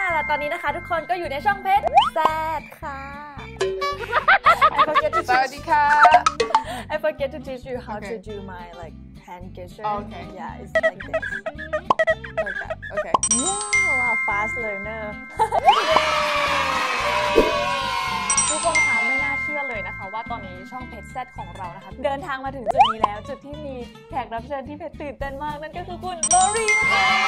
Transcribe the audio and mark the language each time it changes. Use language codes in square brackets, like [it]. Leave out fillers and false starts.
[th] ตอนนี้นะคะทุกคนก็อยู่ในช่องเพชรแซดค่ะ สวัสดีค่ะ [en] I forget to teach you how to do my like hand gesture okay yeah it's like this okay wow wow fast learner [th] ทุกคนคะไม่น่าเชื่อเลยนะคะว่าตอนนี้ช่องเพชรแซดของเรานะคะเดินทางมาถึงจุดนี้แล้วจุดที่มีแขกรับเชิญที่เพชรตื่นเต้นมากนั่นก็คือคุณโลรีนะคะ